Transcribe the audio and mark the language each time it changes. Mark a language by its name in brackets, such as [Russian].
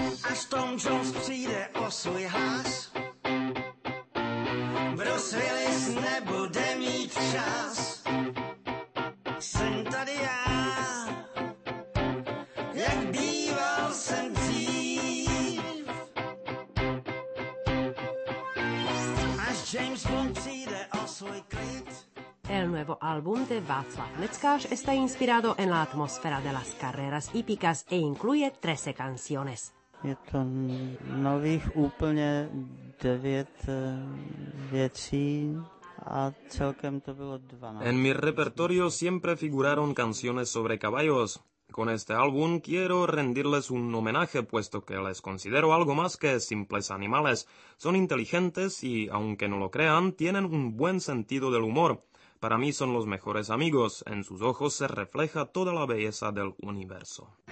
[Czech] Až Tom Jones přijde o svůj hlas, Bruce Willis nebude mít čas. Jsem tady já, jak býval jsem dřív. Až James Bond přijde o svůj klid. [Spanish] El nuevo álbum de Václav Neckář está inspirado en la atmósfera de las carreras hípicas e incluye 13 canciones. [Czech] Je to nových úplně 9 věcí a celkem to bylo 12. [Spanish] En mi repertorio siempre figuraron canciones sobre caballos. Con este álbum quiero rendirles un homenaje, puesto que les considero algo más que simples animales. Son inteligentes y, aunque no lo crean, tienen un buen sentido del humor. Para mí son los mejores amigos. En sus ojos se refleja toda la belleza del universo.